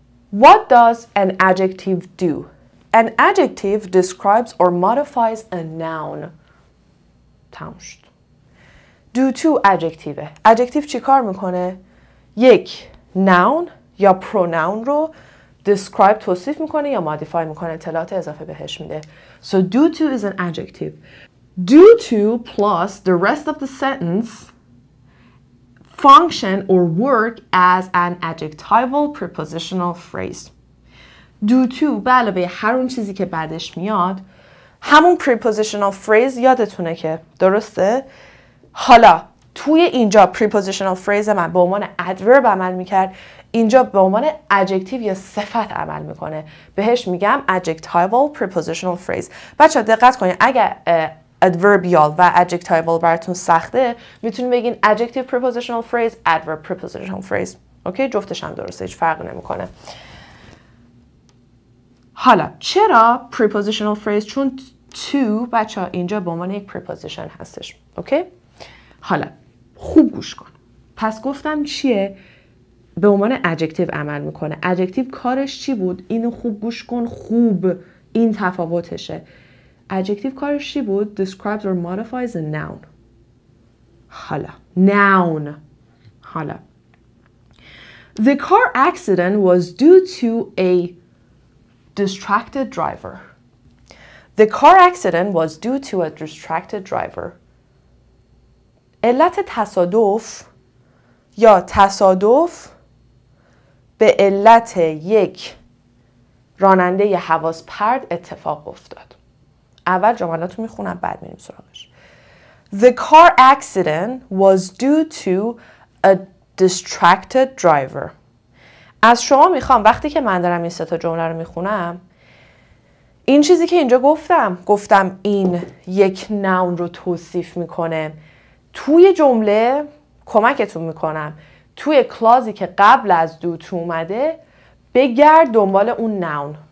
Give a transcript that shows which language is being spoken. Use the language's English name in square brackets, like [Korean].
[English] What does an adjective do? An adjective describes or modifies a noun. تمشت. Due to adjective. [Persian] Adjective چی کار میکنه؟ یک noun یا pronoun رو describe توصیف میکنه یا modify میکنه، اطلاعات اضافه بهش میده. [English] So due to is an adjective. Due to plus the rest of the sentence function or work as an adjectival prepositional phrase. [Persian] Due to به علاوه هر اون چیزی که بعدش میاد، همون prepositional phrase یادتونه که، درسته؟ حالا توی اینجا prepositional phrase من به عنوان adverb عمل میکرد، اینجا به عنوان ادجکتیو یا صفت عمل میکنه. بهش میگم ادجکتیوال پرپوزیشنال فریز. بچه ها دقت کنید، اگر ادوربیال و ادجکتیوال براتون سخته میتونید بگین ادجکتیو پرپوزیشنال فریز، ادورب پرپوزیشنال فریز. اوکی؟ جفتش هم درسته، هیچ فرق نمیکنه. حالا چرا پرپوزیشنال فریز؟ چون تو بچه ها اینجا به عنوان یک پرپوزیشن هستش. اوکی؟ حالا خوب گوش کن. پس گفتم چیه؟ به عنوان ادجکتیو عمل میکنه. ادجکتیو کارش چی بود؟ اینو خوب گوش کن، خوب این تفاوتشه. [English] adjective [Persian] کارش چی بود؟ [English] describes or modifies a noun. [Persian] حالا noun. [English] حالا the car accident was due to a distracted driver. The car accident was due to a distracted driver. [Persian] علت تصادف یا تصادف به علت یک راننده ی حواس پرد اتفاق افتاد. اول جملاتو میخونم بعد میریم سراغش. The car accident was due to a distracted driver. از شما میخوام وقتی که من دارم این سه تا جمله رو میخونم، این چیزی که اینجا گفتم این یک نون رو توصیف میکنه، توی جمله کمکتون میکنم، توی کلازی که قبل از دو تو اومده بگرد دنبال اون نون.